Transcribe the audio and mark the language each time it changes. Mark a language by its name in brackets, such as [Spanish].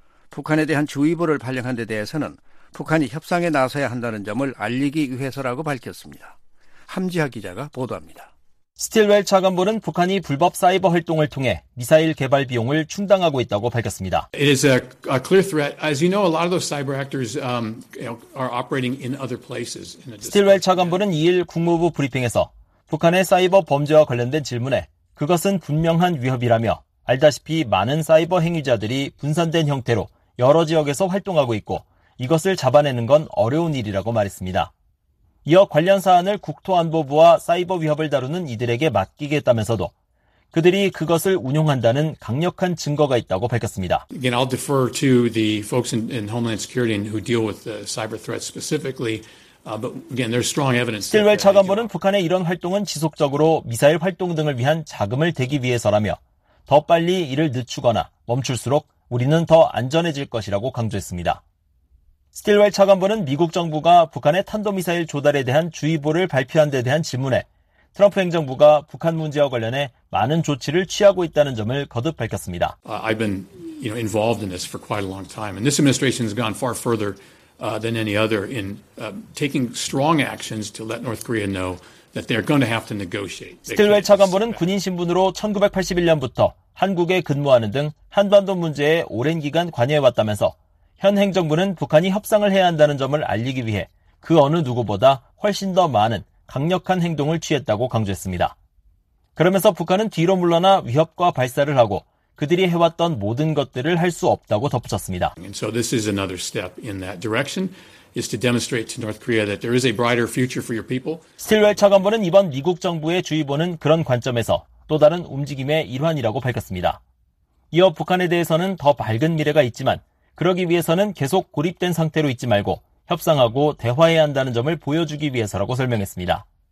[Korean] 북한에 대한 주의보를 발령한 데 대해서는 북한이 협상에 나서야 한다는 점을 알리기 위해서라고 밝혔습니다. 함지하 기자가 보도합니다. 스틸웰 차관보는 북한이 불법 사이버 활동을 통해 미사일 개발 비용을 충당하고 있다고 밝혔습니다. [English] It is a clear threat. As you know, a lot of those cyber actors are operating in other places. [Korean] 스틸웰 차관보는 2일 국무부 브리핑에서 북한의 사이버 범죄와 관련된 질문에 그것은 분명한 위협이라며 알다시피 많은 사이버 행위자들이 분산된 형태로 여러 지역에서 활동하고 있고 이것을 잡아내는 건 어려운 일이라고 말했습니다. 이어 관련 사안을 국토안보부와 사이버 위협을 다루는 이들에게 맡기겠다면서도 그들이 그것을 운용한다는 강력한 증거가 있다고 밝혔습니다. [English] Again, I'll defer to the folks in Homeland Security who deal with the cyber threat specifically. But again, there's strong evidence. [Korean] 스틸웰 차관보는 북한의 이런 활동은 지속적으로 미사일 활동 등을 위한 자금을 대기 위해서라며 더 빨리 이를 늦추거나 멈출수록 우리는 더 안전해질 것이라고 강조했습니다. 스틸웰 차관보는 미국 정부가 북한의 탄도미사일 조달에 대한 주의보를 발표한 데 대한 질문에 트럼프 행정부가 북한 문제와 관련해 많은 조치를 취하고 있다는 점을 거듭 밝혔습니다. [English] I've been, you know, involved in this for quite a long time. And this administration has gone far further than any other in taking strong actions to let North Korea know that they're going to have to negotiate. [Korean] 스틸웰 차관보는 군인 신분으로 1981년부터 한국에 근무하는 등 한반도 문제에 오랜 기간 관여해왔다면서 현 행정부는 북한이 협상을 해야 한다는 점을 알리기 위해 그 어느 누구보다 훨씬 더 많은 강력한 행동을 취했다고 강조했습니다. 그러면서 북한은 뒤로 물러나 위협과 발사를 하고 그들이 해왔던 모든 것들을 할 수 없다고 덧붙였습니다. [English] So this is another step in that direction is to demonstrate to North Korea that there is a brighter future for your people. [Korean] 스틸웰 차관보는 이번 미국 정부의 주의보는 그런 관점에서 또 다른 움직임의 일환이라고 밝혔습니다. 이어 북한에 대해서는 더 밝은 미래가 있지만 그러기 위해서는 계속 고립된 상태로 있지 말고 협상하고 대화해야 한다는 점을 보여주기 위해서라고 설명했습니다.